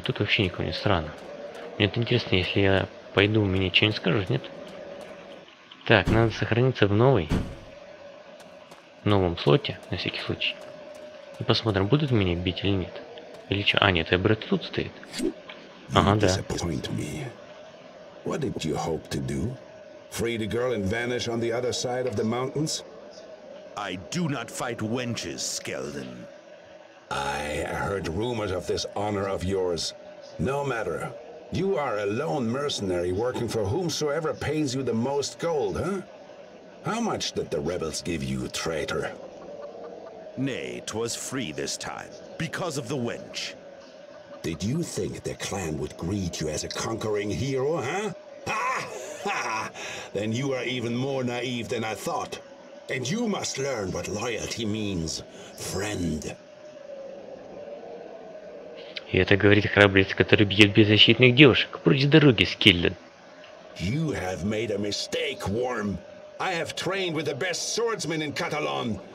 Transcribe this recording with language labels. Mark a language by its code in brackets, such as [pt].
[ru] Тут вообще никого не странно. Мне это интересно, если я пойду, мне что-нибудь скажут, нет? Так, надо сохраниться в новой. В новом слоте, на всякий случай. И посмотрим, будут меня бить или нет. Или чё? А, нет, Эбрет тут стоит. Ага, да. [en] What did you hope to do? Free the girl and vanish on the other side of the mountains? I do not fight wenches, Skelden. I heard rumors of this honor of yours. No matter. You are a lone mercenary working for whomsoever pays you the most gold, huh? How much did the rebels give you, traitor? Nay, 'twas free this time, because of the wench. Did you think the clan would greet you as a conquering hero, huh? Ha! Ha! Then you are even more naive than I thought. And you must learn what loyalty means, friend. [ru] И это говорит храбрец, который бьет беззащитных девушек. Прочь с дороги, Скеллен. [en] You have made a mistake, Worm. I have trained with the best swordsmen in Catalan.